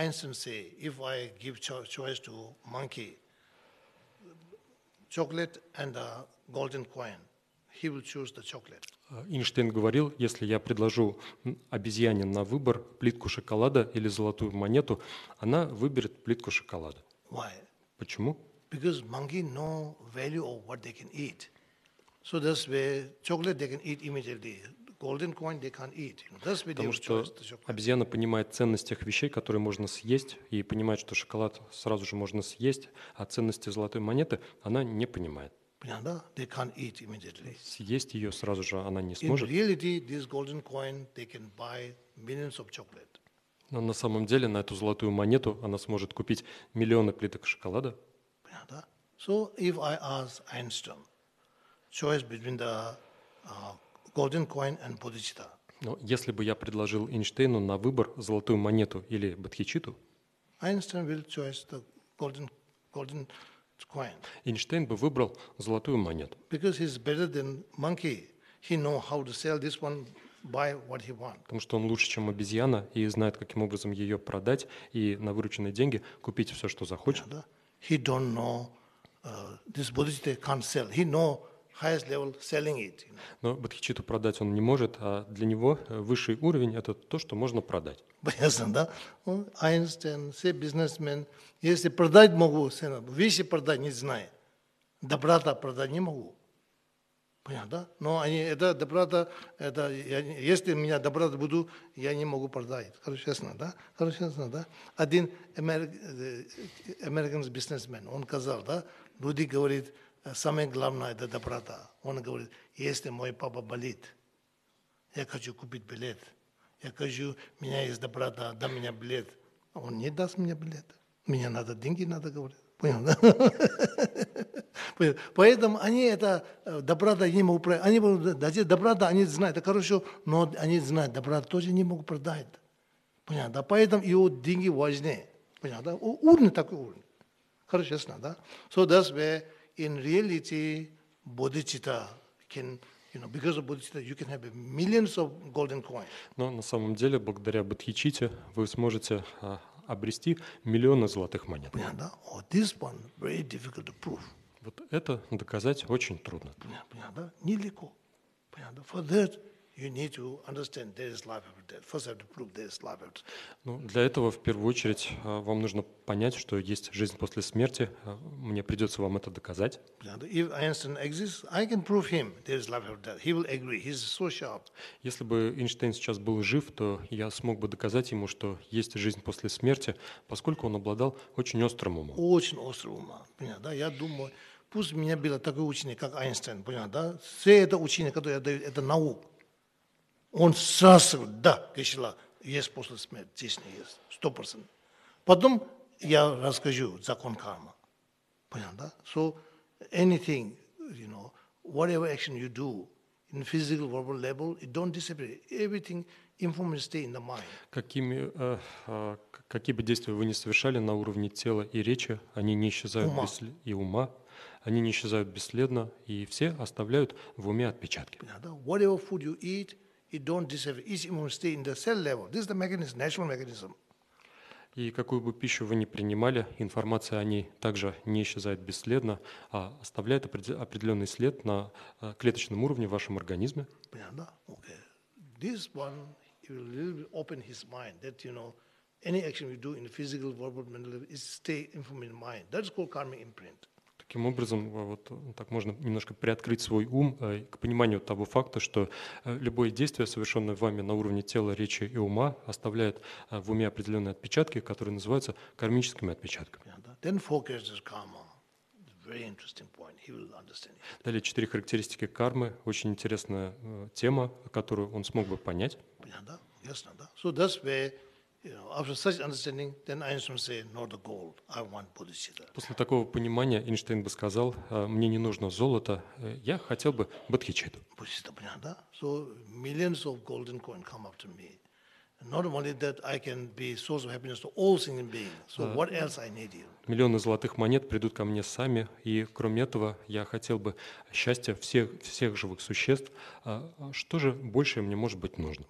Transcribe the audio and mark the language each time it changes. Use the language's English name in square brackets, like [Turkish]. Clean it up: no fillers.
[English] Einstein say, if I give choice to monkey chocolate and a golden coin, he will choose the chocolate. [Russian] Эйнштейн говорил, если я предложу обезьяне на выбор плитку шоколада или золотую монету, она выберет плитку шоколада. [English] Why? [Russian] Почему? [English] Because monkey know value of what they can eat. So that's where chocolate they can eat immediately. Golden coin they can't eat. That's where they choose the chocolate. [Russian] Потому что обезьяна понимает ценность тех вещей, которые можно съесть, и понимает, что шоколад сразу же можно съесть, а ценности золотой монеты она не понимает. [English] They can't eat immediately. [Russian] Съесть ее сразу же она не [English] in [Russian] сможет. [English] Reality, this golden coin, they can buy millions of chocolate. [Russian] Но на самом деле на эту золотую монету она сможет купить миллионы плиток шоколада. [English] So if I ask Einstein, choice between the golden coin and bodhicitta. [Russian] Но если бы я предложил Эйнштейну на выбор золотую монету или бодхичитту, [English] Einstein will choose the golden coin. [Russian] Эйнштейн бы выбрал золотую монету. [English] Because he's better than monkey, he know how to sell this one, buy what he want. [Russian] Потому что он лучше, чем обезьяна, и знает, каким образом ее продать и на вырученные деньги купить все, что захочет. [English] Yeah, he don't know this bodhicitta can't sell. He know highest level selling it. You know. [Russian] Но бодхичитту продать он не может, а для него высший уровень это то, что можно продать. Понятно, да? Einstein, все бизнесмен, если продать могу, сына, вещи продать не знаю, доброта продать не могу. Понятно, да? Но они, это доброта, это я, если меня доброта буду, я не могу продать. Хорошо, честно, да? Хорошо, честно, да? Один американский бизнесмен, он сказал, да? Люди говорят, самое главное – это доброта. Он говорит, если мой папа болит, я хочу купить билет. Я хочу, меня есть доброта, дай мне билет. А он не даст мне билет. Мне надо, деньги надо, говорит. Понял, да? Поэтому они это, доброта не могут продать. Они будут, значит, доброта они знают, это хорошо, но они знают, доброта тоже не могут продать. Понял, да? Поэтому его деньги важнее. Понял, да? Уровень такой уровень. Hare Krishna, да? [English] So that's where in reality, bodhicitta can, you know, because of bodhicitta, you can have millions of golden coins. [Russian] Но на самом деле, благодаря бодхичитте, вы сможете обрести миллионы золотых монет. Понятно, да? [English] Oh, this one very difficult to prove. [Russian] Вот это доказать очень трудно. Понятно, да? Нелегко. Понятно. [English] For that you need to understand there is life after death. First, have to prove there is life after. [Russian] Ну, для этого в первую очередь вам нужно понять, что есть жизнь после смерти. Мне придется вам это доказать. Понятно. [English] If Einstein exists, I can prove him there is life after death. He will agree. He's so sharp. [Russian] Если бы Эйнштейн сейчас был жив, то я смог бы доказать ему, что есть жизнь после смерти, поскольку он обладал очень острым умом. Очень острым умом. Понятно. Да? Я думаю. Пусть у меня был такой ученик, как Эйнштейн, понятно, да? Все это учение, которое я даю, это наука. Он сразу, да, Кришна, есть после смерти, действительно есть, 100%. Потом я расскажу закон кармы, понятно, да? [English] So, anything, you know, whatever action you do, in physical, verbal level, it don't disappear. Everything, information stay in the mind. [Russian] Какие бы действия вы ни совершали на уровне тела и речи, они не исчезают ума. И ума. Они не исчезают бесследно, и все оставляют в уме отпечатки. [English] Whatever food you eat, it don't disappear. Each information stays in the cell level. This is the mechanism, natural mechanism. [Russian] И какую бы пищу вы ни принимали, информация о ней также не исчезает бесследно, а оставляет определенный след на клеточном уровне в вашем организме. Понятно? [English] Okay. This one will really open his mind that, you know, any action you do in the physical, verbal, mental level is stay in the mind. That's called karmic imprint. [Russian] Таким образом, вот так можно немножко приоткрыть свой ум к пониманию того факта, что любое действие, совершенное вами на уровне тела, речи и ума, оставляет в уме определенные отпечатки, которые называются кармическими отпечатками. [English] Then focus is karma. Very interesting point. He will understand it. [Russian] Далее четыре характеристики кармы. Очень интересная тема, которую он смог бы понять. Понятно, ясно, да? [English] So that's where, you know, after such understanding, then Einstein say, "Not the gold. I want bodhicitta." [Russian] После такого понимания Эйнштейн бы сказал: "Мне не нужно золото. Я хотел бы бодхичитту." [English] Bodhicitta, [Russian] понятно, да? [English] So millions of golden coin come up to me. Not only that, I can be source of happiness to all sentient beings. So what else I need you? [Russian] Миллионы золотых монет придут ко мне сами, и кроме этого я хотел бы счастья всех живых существ. Что же больше мне может быть нужно?